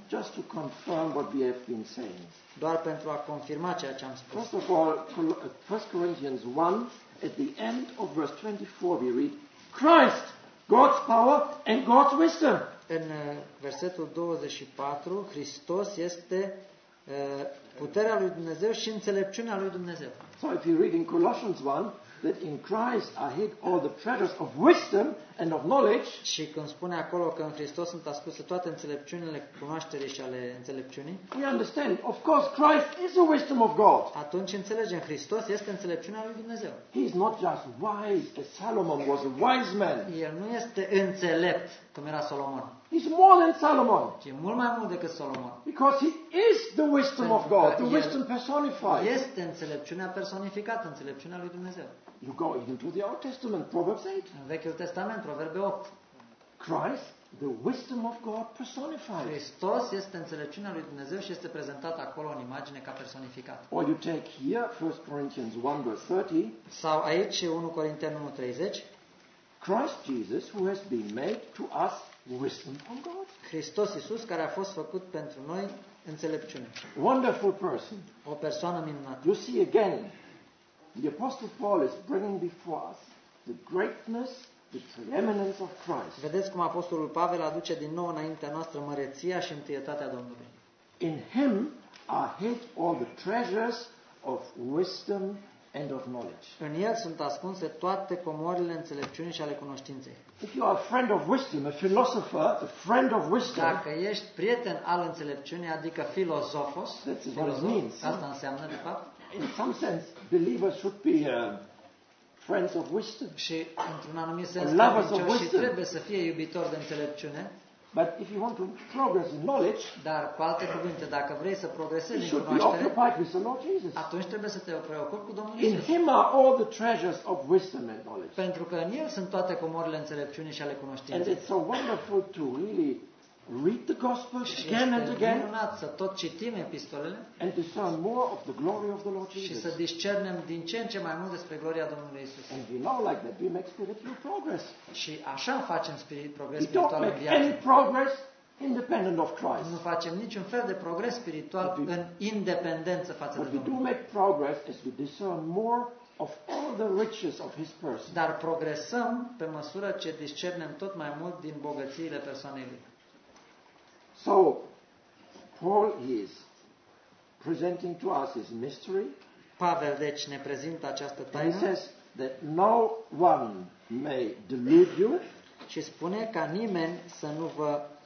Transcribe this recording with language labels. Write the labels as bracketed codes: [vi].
[en] Just to confirm what we have been saying. [ro] Doar pentru a confirma ceea ce am spus. [en] First of all, 1 Corinthians 1, at the end of verse 24, we read Christ, God's power and God's wisdom. [ro] În versetul 24, Hristos este puterea lui Dumnezeu și înțelepciunea lui Dumnezeu. [en] So if you read in Colossians 1 that in Christ are hid all the treasures of wisdom and of knowledge. [ro] Și când spune acolo că în Hristos sunt ascunse toate înțelepciunile cunoașterii și ale înțelepciunii. [en] We understand. Of course Christ is the wisdom of God. [ro] Atunci înțelegem, Hristos este înțelepciunea lui Dumnezeu. [en] He is not just wise as Solomon was a wise man. [ro] El nu este înțelept cum era Solomon. [en] He's more than Solomon. [ro] E mult mai mult decât Solomon. [en] Because he is the wisdom of God, the wisdom personified. [ro] Este înțelepciunea personificată, înțelepciunea lui Dumnezeu. [en] You go even to the Old Testament, Proverbs 8. [ro] În Vechiul Testament, Proverbe 8. [en] Christ, the wisdom of God personified. [ro] Hristos este înțelepciunea lui Dumnezeu și este prezentat acolo în imagine ca personificat. [en] Or you take here 1 Corinthians 1 verse 30. [ro] Sau aici 1 Corinteni 1 30. [en] Christ Jesus, who has been made to us wisdom from God. [ro] Hristos Iisus, care a fost făcut pentru noi înțelepciune. [en] Wonderful person. [ro] O persoană minunată. [en] You see again, the Apostle Paul is bringing before us the greatness, the preeminence of Christ. [ro] Vedeți cum Apostolul Pavel aduce din nou înaintea noastră măreția și întâietatea Domnului. [en] In him are hid all the treasures of wisdom and of knowledge. [ro] În el sunt ascunse toate comorile înțelepciunii și ale cunoștinței. [en] If you are a friend of wisdom, a philosopher, a friend of wisdom. [ro] Dacă ești prieten al înțelepciunii, adică filozofos, asta înseamnă de fapt. [en] In some sense, believers should be friends of wisdom. [ro] Și într-un anumit sens, credincioșii trebuie să fie iubitori de înțelepciune. [en] But if you want to progress in knowledge, [ro] dar cu alte cuvinte, dacă vrei să progresezi în cunoaștere, atunci trebuie să te preocupi cu Domnul Iisus. [en] In him are all the treasures of wisdom and knowledge. [ro] Pentru că în el sunt toate comorile înțelepciunii și ale cunoștinței. [en] And it's so wonderful to really read the gospel again and again. [ro] Minunat să tot citim epistolele. [en] And discern more of the glory of the Lord Jesus. [ro] Și să discernem din ce în ce mai mult despre gloria Domnului Isus. [en] And we know like that we make spiritual progress. [ro] Și așa facem progres spiritual în viață. [en] Any progress independent of Christ. [ro] Nu facem niciun fel de progres spiritual în independență față de Domnul. [en] But we do make progress as we discern more of all the riches of his person. [ro] Dar progresăm pe măsură ce discernem tot mai mult din bogățiile persoanei lui. [en] So Paul is presenting to us his mystery. [ro] Pavel deci ne prezintă această taină. [en] He says that no one may delude you. [ro] Și spune ca nimeni să nu vă